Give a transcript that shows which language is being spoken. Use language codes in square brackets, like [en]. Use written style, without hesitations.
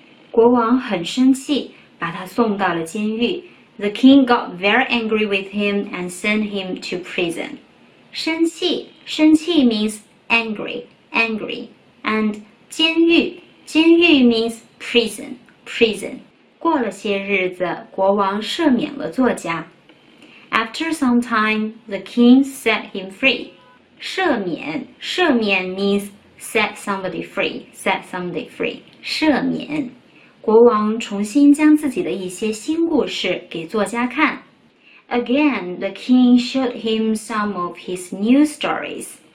[zh] 国王很生气，把他送到了监狱。 [en] The king got very angry with him and sent him to prison. 生气 means angry, and 监狱 means prison. [zh] 过了些日子，国王赦免了作家。 [en] After some time, the king set him free. 赦免 means set somebody free. 赦免。 [zh] 国王重新将自己的一些新故事给作家看。 [en] Again, the king showed him some of his new stories.